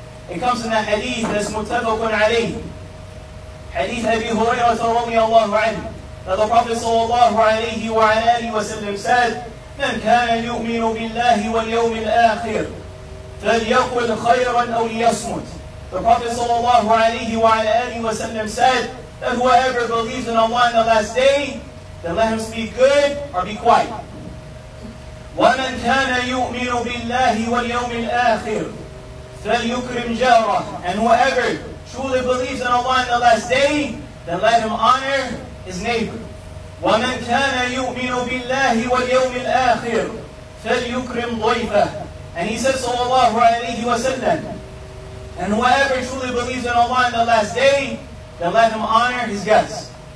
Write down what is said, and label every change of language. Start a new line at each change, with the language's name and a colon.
English: It comes in the hadith that's muttafaqun alayhi. Hadith Abi Hurairah radiyallahu anhu, that the Prophet sallallahu alayhi wa alayhi wa sallam said, من كان يؤمن بالله واليوم الآخر فليقل خيرا أو ليصمت. The Prophet sallallahu alayhi wa alayhi wa sallam said that whoever believes in Allah in the last day, then let him speak good or be quiet.
Arabic: ومن كان يؤمن بالله واليوم الآخر فليكرم جاره.
English: And whoever truly believes in Allah in the last day, then let him honor his neighbor.
Arabic: وَمَنْ كَانَ يُؤْمِنُ بِاللَّهِ وَالْيَوْمِ الْآخِرِ فَلْيُكْرِمْ ضَيْفَهُ.
English: And he says sallallahu alayhi wa sallam, and whoever truly believes in Allah in the last day, then let him honor his guests.